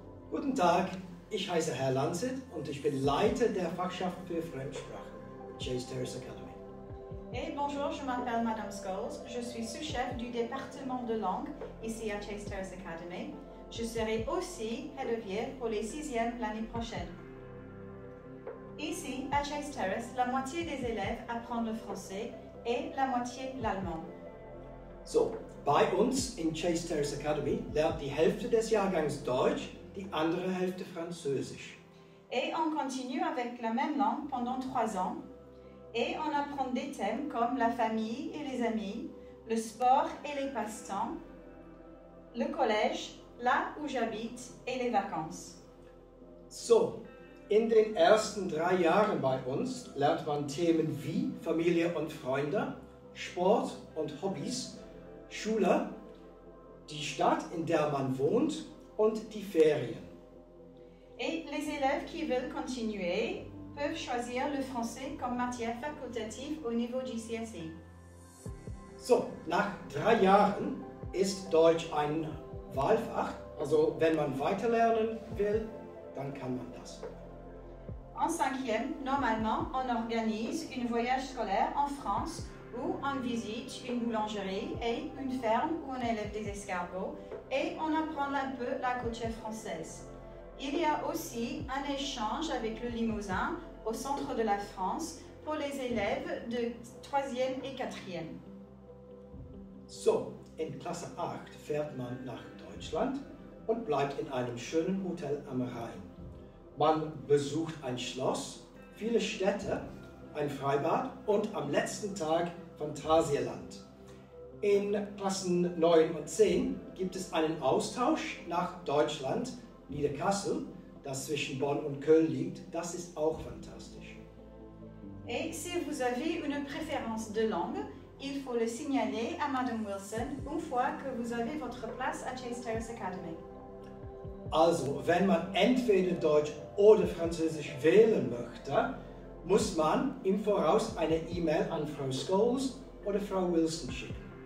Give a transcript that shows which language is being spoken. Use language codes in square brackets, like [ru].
[de] Guten Tag, ich heiße Herr Lanzet und ich bin Leiter der Fachschaft für Fremdsprachen, Chase Terrace Academy. [fr] Hey, bonjour, je m'appelle Madame Scholes. Je suis sous-chef du département de langue ici à Chase Terrace Academy. Je serai aussi [en] head of year [fr] pour les sixièmes l'année prochaine. Ici, à Chase Terrace, la moitié des élèves apprend le français et la moitié l'allemand. [de] So, bei uns in Chase Terrace Academy lernt die Hälfte des Jahrgangs Deutsch, die andere Hälfte Französisch. [fr] Et on continue avec la même langue pendant trois ans. Et on apprend des thèmes comme la famille et les amis, le sport et les passe-temps, le collège, là où j'habite et les vacances. [de] So, in den ersten drei Jahren bei uns lernt man Themen wie Familie und Freunde, Sport und Hobbys, Schule, die Stadt, in der man wohnt und die Ferien. [fr] Et les élèves qui veulent continuer peuvent choisir le français comme matière facultative au niveau du GCSE. [de] So, nach drei Jahren ist Deutsch ein Wahlfach. Also, wenn man weiterlernen will, dann kann man das. [fr] En cinquième, normalement, on organise une voyage scolaire en France où on visite une boulangerie et une ferme où on élève des escargots et on apprend un peu la culture française. Il y a aussi un échange avec le Limousin au centre de la France pour les élèves de 3e et 4e. [de] So, in Klasse 8 fährt man nach Deutschland und bleibt in einem schönen Hotel am Rhein. Man besucht ein Schloss, viele Städte, ein Freibad und am letzten Tag Phantasialand. In Klassen 9 und 10 gibt es einen Austausch nach Deutschland, Niederkassel, das zwischen Bonn und Köln liegt. Das ist auch fantastisch. [fr] Et si vous avez une préférence de langue, il faut le signaler à Madame Wilson une fois que vous avez votre place à Chase Terrace Academy. [de] Also, wenn man entweder Deutsch oder Französisch wählen möchte, muss man im Voraus eine E-Mail an Frau Scholes oder Frau Wilson schicken.